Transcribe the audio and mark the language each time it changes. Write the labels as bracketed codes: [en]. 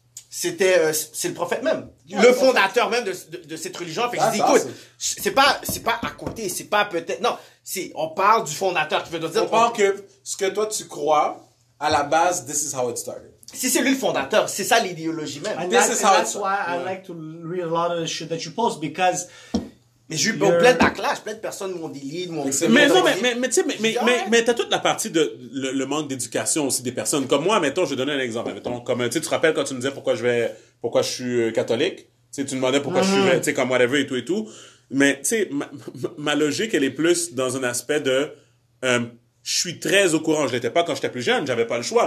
[fr] C'est le prophète même. Ouais, le fondateur même de cette religion. Fait que je dis, écoute, c'est pas à côté, c'est pas peut-être. Non, on parle du fondateur qui veut dire. On parle que ce que toi tu crois, à la base, [en] this is how it started. [fr] Si c'est lui le fondateur, c'est ça l'idéologie même. [en] And this is how that's it started. Why I like to read a lot of the shit that you post because. [fr] Mais j'ai eu plein de backlash, plein de personnes m'ont délit, m'ont dit. Mais non, mais tu sais, mais t'as toute la partie de le manque d'éducation aussi des personnes. Comme moi, mettons, je vais donner un exemple. Mettons, comme, tu sais, tu te rappelles quand tu me disais pourquoi je suis catholique? Tu sais, tu me demandais pourquoi je suis, tu sais, comme whatever et tout. Mais, tu sais, ma logique, elle est plus dans un aspect de, je suis très au courant. Je l'étais pas quand j'étais plus jeune. J'avais pas le choix.